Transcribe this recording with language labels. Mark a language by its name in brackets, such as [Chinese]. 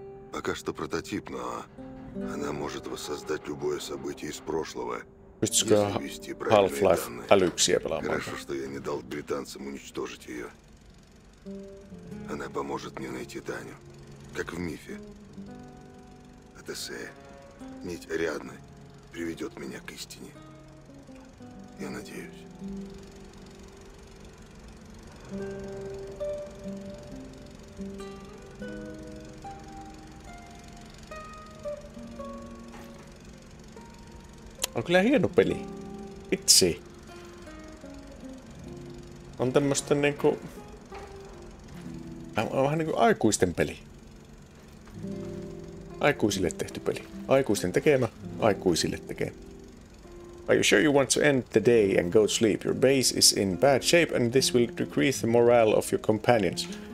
[Russian] Пока что прототип, но она может воссоздать любое событие из прошлого. Пусть-ка Half-Life Alyxia была. Хорошо, что я не дал британцам уничтожить ее. Она поможет мне найти Таню. Как в мифе. Одиссея. Нить Ариадны приведет меня к истине. Я надеюсь. [Finnish] On kyllä hieno peli. Vitsi. On tämmöstä niinku... On vähän niinku aikuisten peli. Aikuisille tehty peli. Aikuisten tekemä, aikuisille tekemä. [English] Are you sure you want to end the day and go to sleep? Your base is in bad shape and this will decrease the morale of your companions.